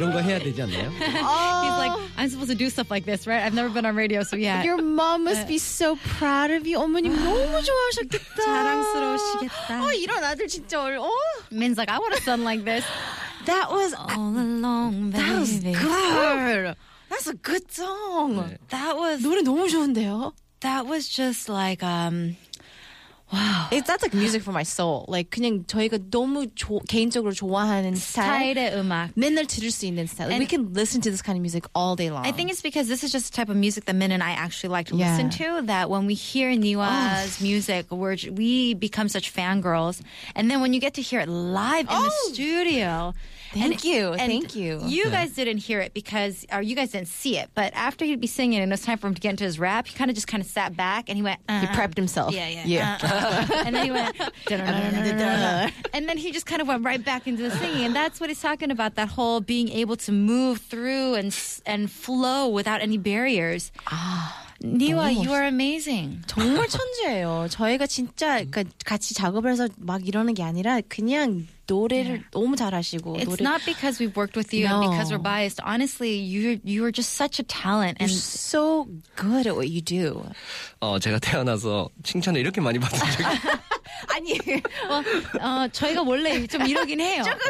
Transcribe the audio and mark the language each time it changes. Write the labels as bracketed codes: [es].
[en] He's like, I'm supposed to do stuff like this, right? I've never been on radio, so yeah. Your mom must be so proud of you. [ko] 어머님 너무 좋아하셨겠다. 자랑스러우시겠다. 어, 이런 아들 진짜 어려워. [en] Min's like, I want a son like this. That was all along, baby. That was good. That's a good song. That was [ko] 노래 너무 좋은데요. [en] That was just like Wow. That's like music for my soul. [ko] Like, 그냥 저희가 너무 개인적으로 좋아하는 스타일의 음악. 맨날 들을 수 있는 스타일. [en] We can listen to this kind of music all day long. I think it's because this is just the type of music that Min and I actually like to listen to, that when we hear NiiHWA's music, we become such fangirls. And then when you get to hear it live in the studio. Thank you. You guys didn't hear it because, or you guys didn't see it, but after he'd be singing and it was time for him to get into his rap, he kind of just kind of sat back and he went, He prepped himself. And then he went, and then he just kind of went right back into the singing. And that's what he's talking about, that whole being able to move through and flow without any barriers. NiiHWA, you are amazing. [ko] 정말 천재예요. 저희가 진짜 같이 작업을 해서 막 이러는 게 아니라 그냥 노래를 너무 잘하시고. [en] It's not because we've worked with you and because we're biased. Honestly, you're just such a talent. You're so good at what you do. [ko] 제가 태어나서 칭찬을 이렇게 많이 받은 적이 아니, 저희가 원래 좀 이러긴 해요.